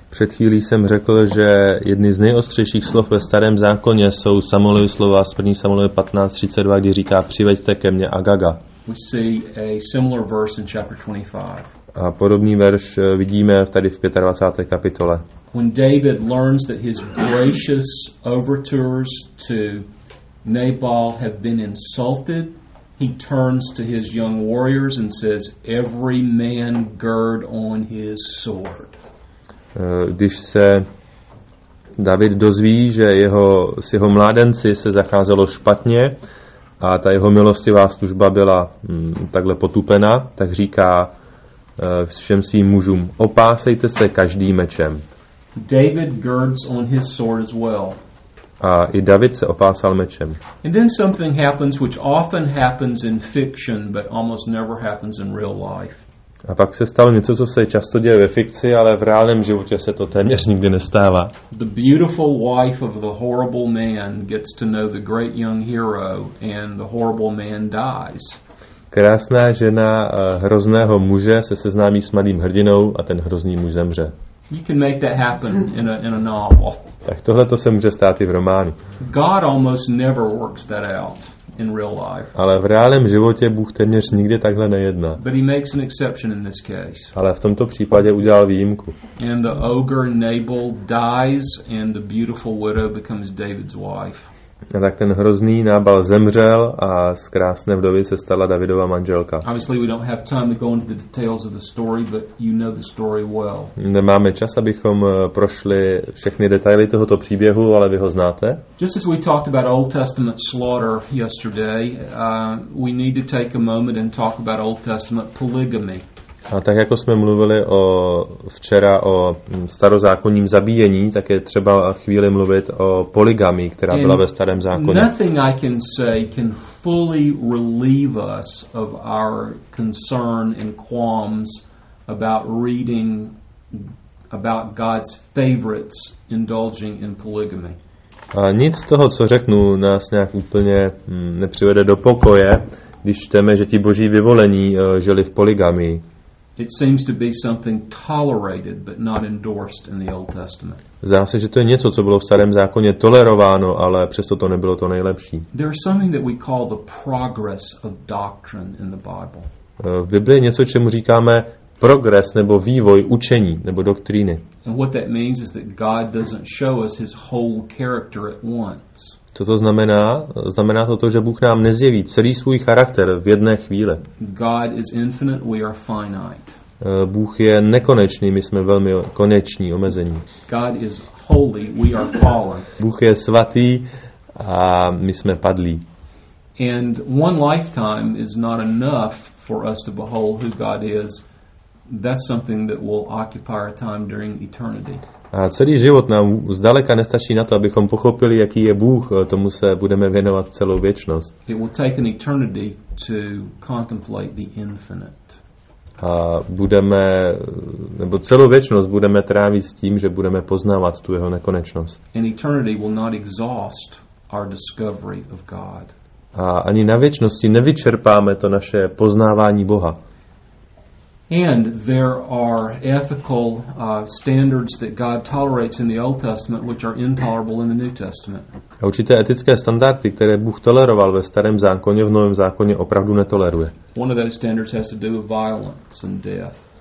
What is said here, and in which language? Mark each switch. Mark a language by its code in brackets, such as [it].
[cs] Před chvílí jsem řekl, že jedny z nejostřejších slov ve Starém zákoně jsou Samuelovy slova z 1. Samuelovy 15:32, kdy říká: přiveďte ke mně Agaga. [en] We see a similar verse in chapter 25. [cs] A podobný verš vidíme tady v 25. kapitole. [en] When David learns that his gracious overtures to Nabal have been insulted, he turns to his young warriors and says, every man gird on his sword. [cs] Když se David dozví, že s jeho mládenci se zacházelo špatně a ta jeho milostivá služba byla takhle potupena, tak říká všem svým mužům: opásejte se každý mečem. [en] David girds on his sword as well. [cs] A i David se opásal mečem. [en] And then something happens, which often happens in fiction, but almost never happens in real life. [cs] A pak se stalo něco, co se často děje ve fikci, ale v reálném životě se to téměř nikdy nestává. [en] The beautiful wife of the horrible man gets to know the great young hero and the horrible man dies. [cs] Krásná žena hrozného muže se seznámí s malým hrdinou a ten hrozný muž zemře. [en] You can make that happen in a novel. [cs] Tak tohle to se může stát i v románu. [en] God almost never works that out in real life. [cs] Ale v reálném životě Bůh téměř nikdy takhle nejedná. [en] But he makes an exception in this case. [cs] Ale v tomto případě udělal výjimku. [en] And the ogre Nabal dies and the beautiful widow becomes David's wife. [cs] A tak ten hrozný Nábal zemřel a z krásné vdovy se stala Davidova manželka. [en] Obviously we don't have time to go into the details of the story, but you know the story well. [cs] Nemáme čas, abychom prošli všechny detaily tohoto příběhu, ale vy ho znáte. [en] Just as we talked about Old Testament slaughter yesterday, we need to take a moment and talk about Old Testament polygamy. [cs] A tak jako jsme mluvili včera o starozákonním zabíjení, tak je třeba chvíli mluvit o polygamii, která byla ve Starém zákoně. [en] Nothing I can say can fully relieve us of our concern and qualms about reading about God's favorites indulging in polygamy. [cs] A nic z toho, co řeknu, nás nějak úplně nepřivede do pokoje, když čteme, že ti Boží vyvolení žili v polygamii. [en] It seems to be something tolerated but not endorsed in the Old Testament. [cs] Zdá se, že to je něco, co bylo v Starém zákoně tolerováno, ale přesto to nebylo to nejlepší. [en] There is something that we call the progress of doctrine in the Bible. [cs] V Bibli je něco, čemu říkáme progres nebo vývoj učení nebo doktríny. [en] And what that means is that God doesn't show us his whole character at once. [cs] Co to znamená? Znamená to, že Bůh nám nezjeví celý svůj charakter v jedné chvíli. [en] God is infinite, we are finite. [cs] Bůh je nekonečný, my jsme velmi koneční, omezení. [en] God is holy, we are fallen. [cs] Bůh je svatý a my jsme padlí. [en] And one lifetime is not enough for us to behold who God is. That's something that will occupy our time during eternity. [cs] A celý život nám zdaleka nestačí na to, abychom pochopili, jaký je Bůh, tomu se budeme věnovat celou věčnost. [en] It will take an eternity to contemplate the infinite. [cs] A budeme, nebo celou věčnost budeme trávit s tím, že budeme poznávat tu jeho nekonečnost. [en] And eternity will not exhaust our discovery of God. [cs] A ani na věčnosti nevyčerpáme to naše poznávání Boha. [en] And there are ethical standards that God tolerates in the Old Testament which are intolerable in the New Testament. [cs] A určité etické standardy, které Bůh toleroval ve Starém zákoně, v Novém zákoně opravdu netoleruje. [en] One of those standards has to do with violence and death.